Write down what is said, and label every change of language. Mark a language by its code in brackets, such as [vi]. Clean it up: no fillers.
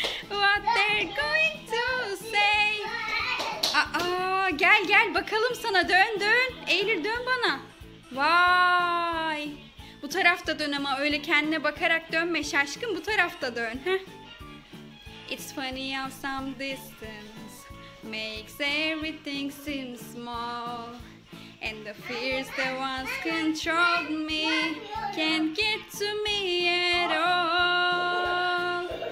[en] What they're going to say. [tr] Aa, gel gel bakalım sana dön dön. Eylül dön bana. Vay. Bu tarafta dön ama öyle kendine bakarak dönme şaşkın. Bu tarafta dön. Heh. [en] It's funny how some distance makes everything seem small. And the fears that once controlled me can't get to me at all.